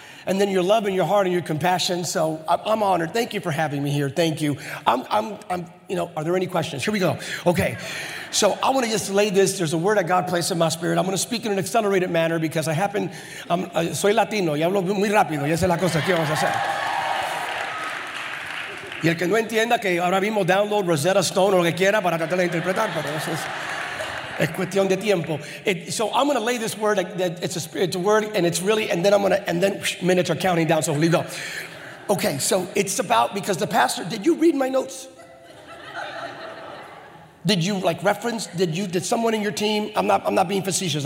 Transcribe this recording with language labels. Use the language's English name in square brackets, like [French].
[English] And then your love and your heart and your compassion. So I'm honored. Thank you for having me here. Thank you. Are there any questions? Here we go. Okay. So I want to just lay this. There's a word that God placed in my spirit. I'm going to speak in an accelerated manner because [Spanish] soy Latino. Y hablo muy rápido. Y esa es la cosa. ¿Qué vamos a hacer? Y el que no entienda que ahora mismo download Rosetta Stone o lo que quiera para tratar de interpretar. Pero eso es. Es cuestión de tiempo. [English] So I'm going to lay this word. It's a word, and it's really, and then I'm going to, and then minutes are counting down, so here we go. Okay, so it's about, because the pastor, did you read my notes? Did you, like, reference? Did someone in your team? I'm not being facetious.